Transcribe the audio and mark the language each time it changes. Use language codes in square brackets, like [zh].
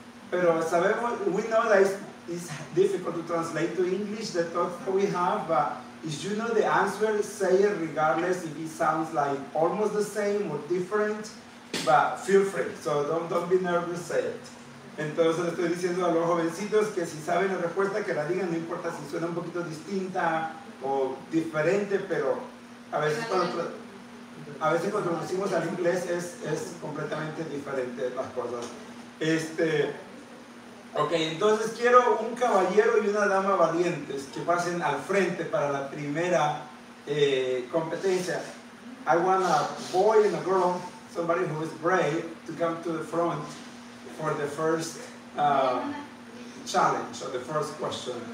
[es] Pero sabemos, [en] we know that it's difficult to translate to English the thoughts that we have, but if you know the answer, say it regardless if it sounds like almost the same or different, but feel free. So don't be nervous, say it. [es] Entonces estoy diciendo a los jovencitos que si saben la respuesta, que la digan, no importa si suena un poquito distinta o diferente, pero a veces cuando lo decimos al inglés es completamente diferente las cosas. Ok, entonces quiero un caballero y una dama valientes que pasen al frente para la primera competencia. [en] I want a boy and a girl, somebody who is brave, to come to the front for the first challenge or the first question.